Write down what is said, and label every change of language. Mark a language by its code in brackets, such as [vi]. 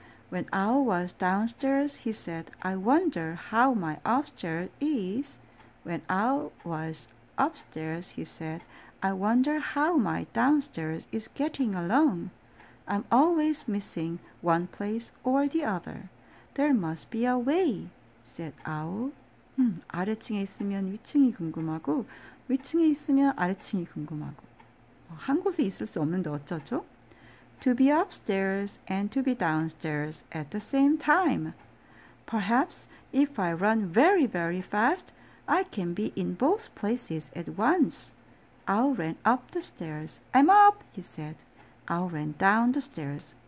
[en] When Owl was downstairs, he said, I wonder how my upstairs is. When Owl was upstairs, he said, I wonder how my downstairs is getting along. I'm always missing one place or the other. There must be a way, said Owl. [ko] 아래층에 있으면 위층이 궁금하고, 위층에 있으면 아래층이 궁금하고. 한 곳에 있을 수 없는데 어쩌죠? [en] To be upstairs and to be downstairs at the same time. Perhaps if I run very, very fast, I can be in both places at once. Owl ran up the stairs. I'm up, he said. Owl ran down the stairs.